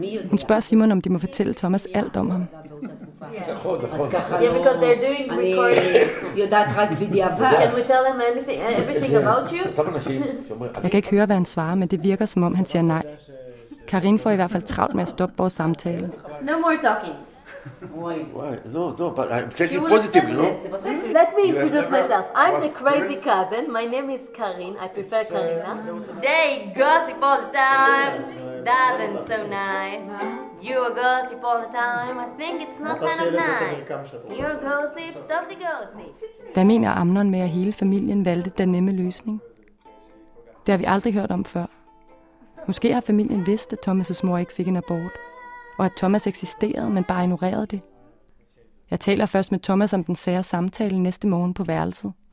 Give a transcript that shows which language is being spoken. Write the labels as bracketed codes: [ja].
[da] Hun spørger Simon, om de må fortælle Thomas alt om ham. [en] Yeah, because they're doing recording. I mean, can we tell him anything, everything about you? [da] Jeg kan ikke høre, hvad han svarer, men det virker, som om han siger nej. Karin får i hvert fald travlt med at stoppe vores samtale. [en] No more talking. Why? No, no, but I'm taking positive, you know? Let me introduce myself. I'm the crazy cousin. My name is Karin. I prefer Karina. They gossip all the time. Doesn't so nice. You gossip all the time. I think it's not kind of nice. You gossip, stop the gossip. [da] Hvad mener Amnon med, at hele familien valgte den nemme løsning? Det har vi aldrig hørt om før. Måske har familien vidst, at Thomas' mor ikke fik en abort, og at Thomas eksisterede, men bare ignorerede det. Jeg taler først med Thomas om den sære samtale næste morgen på værelset.